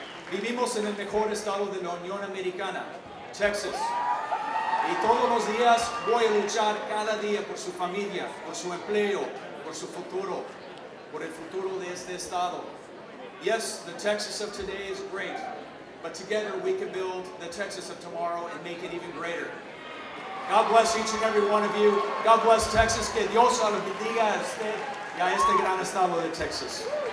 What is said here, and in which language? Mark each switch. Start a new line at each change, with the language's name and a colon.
Spanish: Vivimos en el mejor estado de la Unión Americana, Texas. Y todos los días voy a luchar cada día por su familia, por su empleo, por su futuro, por el futuro de este estado.
English: Yes, the Texas of today is great, but together we can build the Texas of tomorrow and make it even greater. God bless each and every one of you. God bless Texas.
Spanish: Que Dios lo bendiga a usted y a este gran estado de Texas.